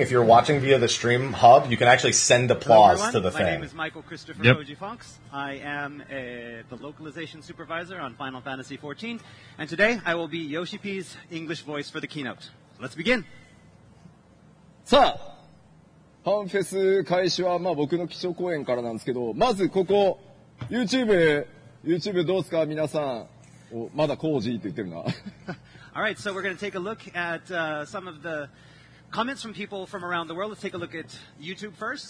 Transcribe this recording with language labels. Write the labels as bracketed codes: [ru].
[en] If you're watching via the stream hub, you can actually send applause Hello, to the thing. My name is Michael Christopher Koji Fox. I am the localization supervisor on Final Fantasy XIV, and today I will be Yoshi P's English voice for the keynote. Let's begin! [ja] さあ、ファンフェス開始は、まあ、僕の基調講演からなんですけど、まずここ、YouTube どうですか皆さん。まだコージーって言ってるな。 [en] Alright, so we're going to take a look at some of the comments from people from around the world. Let's take a look at YouTube first.